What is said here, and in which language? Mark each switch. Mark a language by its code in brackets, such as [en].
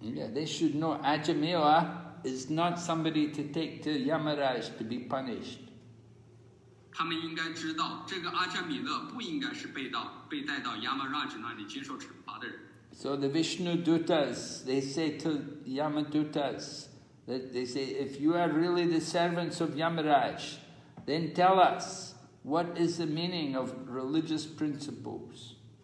[en] Yeah, they should know Ajamila is not somebody to take to Yamaraj to be punished. [zh] 他们应该知道这个阿杰弥勒不应该是被带到亚麻拉什那里接受惩罚的人。 [en] So the Vishnu Dutas, they say to Yamadutas, they say, if you are really the servants of Yamaraj, then tell us, what is the meaning of religious principles?